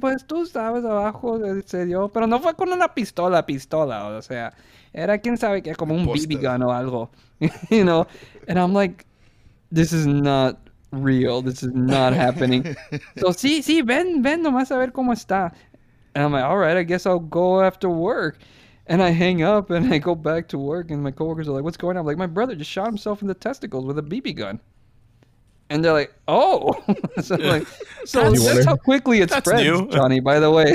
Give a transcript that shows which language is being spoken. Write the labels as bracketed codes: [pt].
[es] Pues tú sabes abajo, se dio. Pero no fue con una pistola. O sea, era quien sabe que como un BB gun o algo. [en] You know? And I'm like, this is not real. This is not happening. [es] So sí, ven nomás a ver cómo está. [en] And I'm like, all right, I guess I'll go after work. And I hang up and I go back to work and my coworkers are like, what's going on? I'm like, my brother just shot himself in the testicles with a BB gun. And they're like, oh. So I'm like, so that's how quickly it spreads, new. Johnny, by the way.